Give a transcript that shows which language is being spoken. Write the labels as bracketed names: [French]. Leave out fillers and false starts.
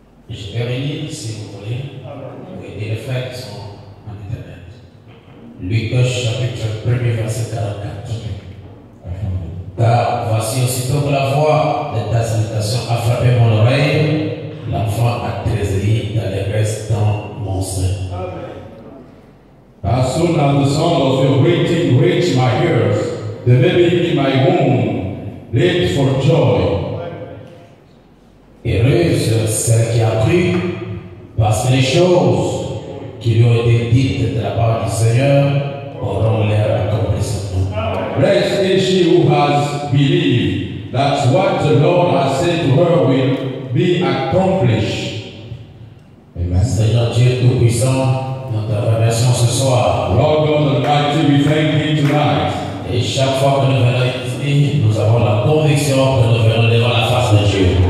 [French] Je vais relire si vous voulez. Vous voyez, les faits sont en internet. Luc chapitre 1 verset 44. Car voici aussitôt que la voix de ta salutation a frappé mon oreille, l'enfant a tressailli d'allégresse dans mon sein. [English] As soon as the sound of your greeting reached my ears, the baby in my womb leaped for joy. [French] Heureuse celle qui a cru, parce que les choses qui lui ont été dites de la part du Seigneur auront l'air accomplies. [English] Blessed is she who has believed that what the Lord has said to her will be accomplished. [French] Amen. Seigneur Dieu Tout-Puissant, nous te remercions ce soir. [English] Lord God Almighty, we thank you tonight. [French] Et chaque fois que nous venons ici, nous avons la conviction que nous venons devant la face de Dieu.